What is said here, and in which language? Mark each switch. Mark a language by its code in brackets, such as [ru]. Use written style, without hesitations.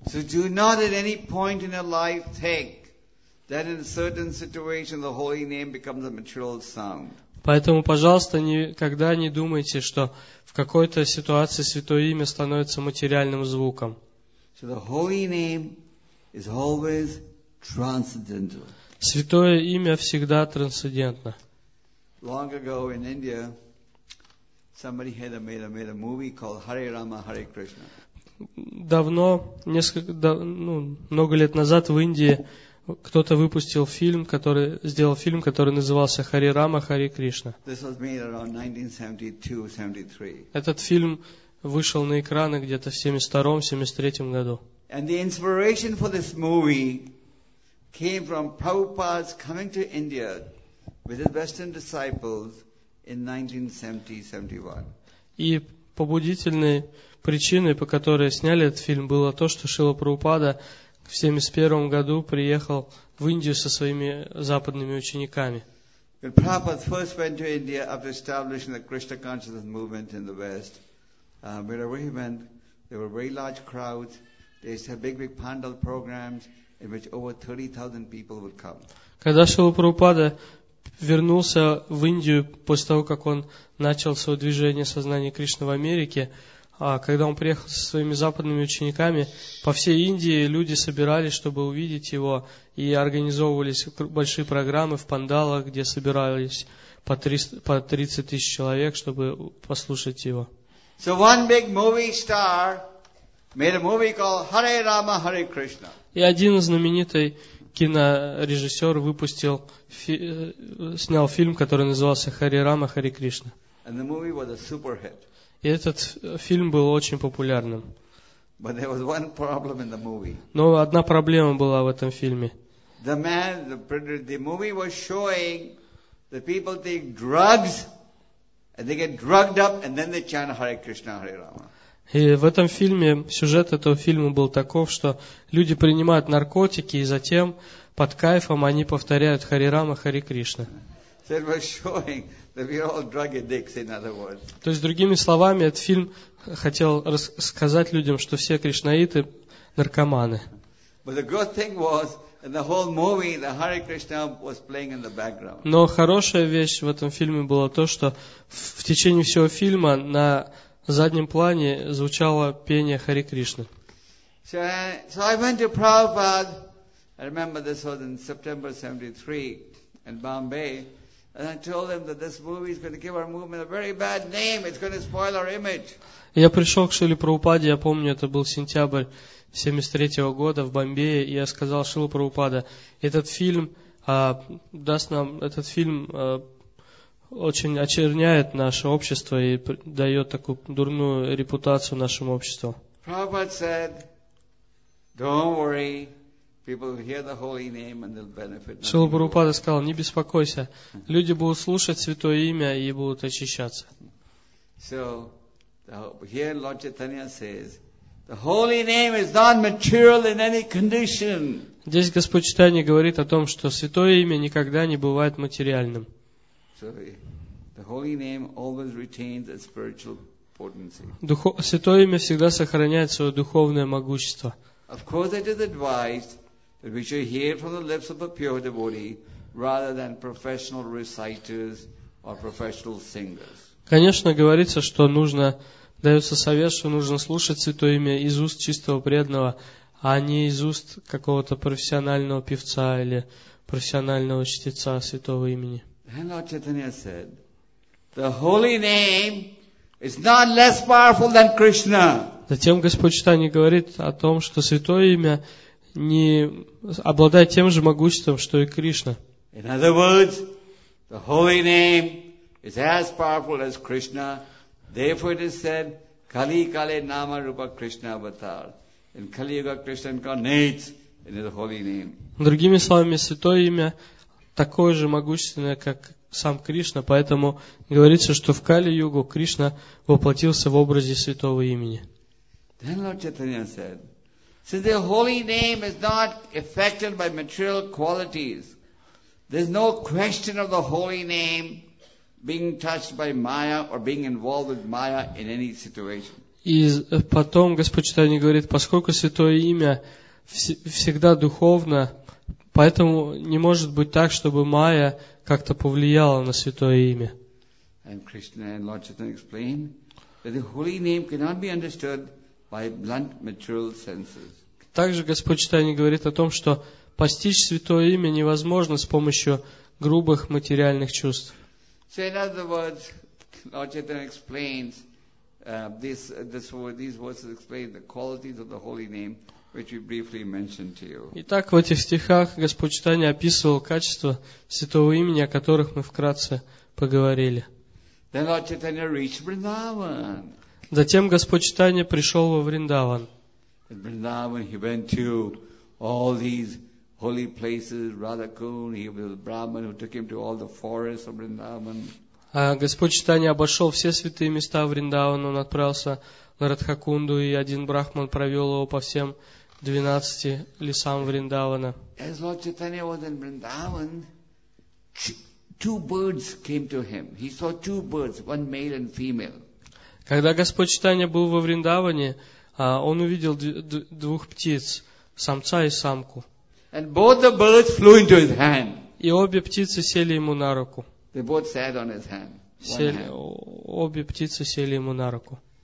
[en] So do not at any point in your life think that in a certain situation the holy name becomes a material sound. [ru] Поэтому, пожалуйста, никогда не думайте, что в какой-то ситуации святое имя становится материальным звуком. [en] So the holy name is always transcendental. [ru] Святое имя всегда трансцендентно. [en] Long ago in India, somebody had made a movie called Hare Rama, Hare Krishna. [ru] Давно, много лет назад в Индии кто-то выпустил фильм, который назывался «Хари Рама, Хари Кришна». [en] This was made around 1972-73. [ru] Этот фильм вышел на экраны где-то в 1972-73 году. [en] And the inspiration for this movie came from Prabhupada's coming to India with his Western disciples in 1970-71. [ru] И побудительной причиной, по которой сняли этот фильм, было то, что Шрила Прабхупада в 1971 году приехал в Индию со своими западными учениками. [en] When Prabhupada first went to India after establishing the Krishna consciousness movement in the West, wherever he went, there were very large crowds. They used to have big pandal programs in which over 30,000 people would come. [ru] Когда Шрила Прабхупада вернулся в Индию после того, как он начал свое движение сознания Кришны в Америке, когда он приехал со своими западными учениками, по всей Индии люди собирались, чтобы увидеть его, и организовывались большие программы в пандалах, где собирались по 30 тысяч человек, чтобы послушать его. [en] So one big movie star made a movie called Hare Rama, Hare Krishna. [ru] И один знаменитый кинорежиссер выпустил, снял фильм, который назывался «Хари Рама, Хари Кришна». [en] And the movie was a super hit. [ru] И этот фильм был очень популярным. [en] But there was one problem in the movie. [ru] Но одна проблема была в этом фильме. [en] The movie was showing that people take drugs and they get drugged up and then they chant Hare Krishna, Hare Rama. [ru] И в этом фильме сюжет этого фильма был таков, что люди принимают наркотики и затем под кайфом они повторяют Хари Рама, Хари Кришна. [en] So it was showing that we are all drug addicts, in other words. [ru] То есть другими словами, этот фильм хотел рассказать людям, что все кришнаиты наркоманы. [en] But the good thing was, in the whole movie, the Hare Krishna was playing in the background. [ru] Но хорошая вещь в этом фильме была то, что в течение всего фильма на заднем плане звучало пение Хари Кришны. [en] So I went to Prabhupada. I remember this was in September '73 in Bombay. And I told them that this movie is going to give our movement a very bad name. It's going to spoil our image. [ru] Я пришел к Шриле Прабхупаде, я помню, это был сентябрь 1973 года в Бомбее, и я сказал Шриле Прабхупаде, этот фильм даст нам, этот фильм очень очерняет наше общество и дает такую дурную репутацию нашему обществу. [en] Prabhupada said, don't worry, people will hear the holy name and they'll benefit. [ru] Шрила Прабхупада сказал, не беспокойся, люди будут слушать святое имя и будут очищаться. [en] So, here Lord Chaitanya says, the holy name is not material in any condition. [ru] Здесь Господь Читание говорит о том, что святое имя никогда не бывает материальным. [en] So, the holy name always retains its spiritual potency. [ru] Святое имя всегда сохраняет свое духовное могущество. [en] Of course, it is advised that we should hear from the lips of a pure devotee rather than professional reciters or professional singers. [ru] Конечно, говорится, что нужно, дается совет, что нужно слушать святое имя из уст чистого преданного, а не из уст какого-то профессионального певца или профессионального чтеца святого имени. [en] And Lord Chaitanya said, the holy name is not less powerful than Krishna. [ru] Затем Господь Читание говорит о том, что святое имя не обладает тем же могуществом, что и Кришна. [en] In other words, the holy name is as powerful as Krishna. Therefore it is said, [sa] Kali Kale Nama Rupa Krishna Avatar. [en] In Kali Yuga, Krishna incarnates in His holy name. [ru] Другими словами, святое имя такое же могущественное, как сам Кришна, поэтому говорится, что в Кали-югу Кришна воплотился в образе святого имени. [en] Then Lord Chaitanya said, since the holy name is not affected by material qualities, there's no question of the holy name being touched by Maya or being involved with Maya in any situation. [ru] И потом Господь Читание говорит, поскольку святое имя всегда духовно, поэтому не может быть так, чтобы Майя как-то повлияла на святое имя. [en] And Krishna and Lord Chaitanya explain that the holy name cannot be understood by blunt material senses. [ru] Также Господь Читание говорит о том, что постичь святое имя невозможно с помощью грубых материальных чувств. [en] So in other words, Lord Chaitanya explains these verses explain the qualities of the holy name, which we briefly mentioned to you. [ru] Итак, в этих стихах Господь Читания описывал качества святого имени, о которых мы вкратце поговорили. [en] Then Lord Chaitanya reached Vrindavan. [ru] Затем Господь Читания пришел во Вриндаван. [en] In Vrindavan he went to all these holy places, Radhakund, he was a Brahman who took him to all the forests of Vrindavan. [ru] Господь Читания обошел все святые места Вриндавана, он отправился на Радхакунду, и один брахман провел его по всем 12 лесам Вриндавана. [en] As Lord Chaitanya was in Vrindavan, two birds came to him. He saw two birds, one male and female. [ru] Когда Господь Читания был во Вриндаване, он увидел двух птиц, самца и самку. [en] And both the birds flew into his hand. [ru] И обе птицы сели ему на руку. [en] They both sat on his hand. [ru] Обе птицы сели ему на руку.